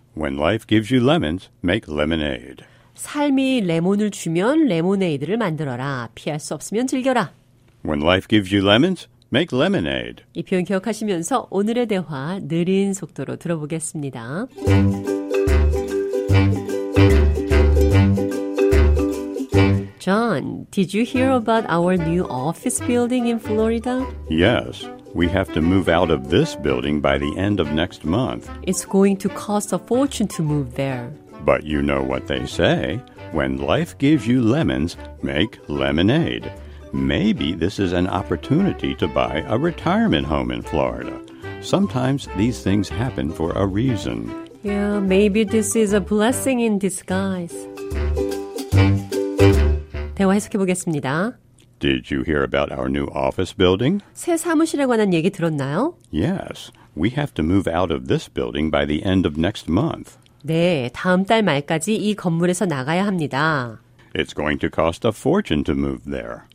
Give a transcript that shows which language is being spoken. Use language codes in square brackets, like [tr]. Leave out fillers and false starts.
[en] When life gives you lemons, make lemonade. [ko] 삶이 레몬을 주면 레모네이드를 만들어라. 피할 수 없으면 즐겨라. [en] When life gives you lemons, make lemonade. [ko] 이 표현 기억하시면서 오늘의 대화 느린 속도로 들어보겠습니다. [en] John, did you hear about our new office building in Florida? Yes, we have to move out of this building by the end of next month. It's going to cost a fortune to move there. But you know what they say, when life gives you lemons, make lemonade. Maybe this is an opportunity to buy a retirement home in Florida. Sometimes these things happen for a reason. Yeah, maybe this is a blessing in disguise. [ko] 대화 해석해 보겠습니다. [en] Did you hear about our new office building? [ko] 새 사무실에 관한 얘기 들었나요? [en] Yes, we have to move out of this building by the end of next month. [ko] 네, 다음 달 말까지 이 건물에서 나가야 합니다. [en] It's going to cost a fortune to move there.